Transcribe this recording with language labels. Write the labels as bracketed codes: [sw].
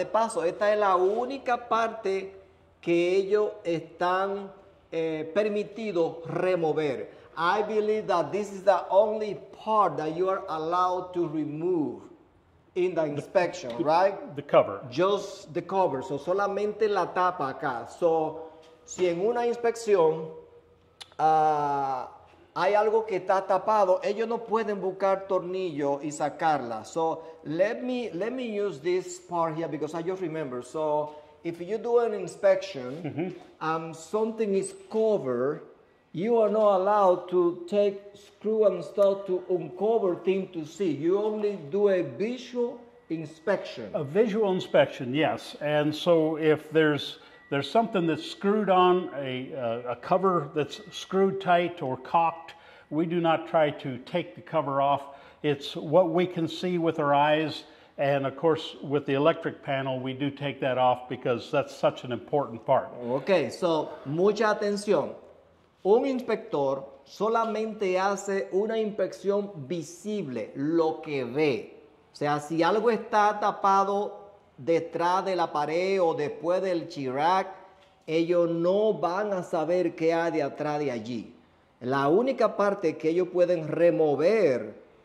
[es] De paso, esta es la única parte que ellos están permitido remover. [en] I believe that this is the only part that you are allowed to remove in the inspection, right? The cover. Just the cover. [es] So solamente la tapa acá. So si en una inspección hay algo que está tapado, ellos no pueden buscar tornillo y sacarla. [en] So let me use this part here because I just remember. So if you do an inspection, something is covered, you are not allowed to take screw and stuff to uncover thing to see. You only do a visual inspection. A visual inspection, yes. And so if there's something that's screwed on, a cover that's screwed tight or cocked, we do not try to take the cover off. It's what we can see with our eyes. And of course, with the electric panel, we do take that off because that's such an important part. [es] Okay, so mucha atención. Un inspector solamente hace una inspección visible, lo que ve. O sea, si algo está tapado detrás de la pared o después del chirac, ellos no van a saber qué hay detrás de allí. La única parte que ellos pueden remover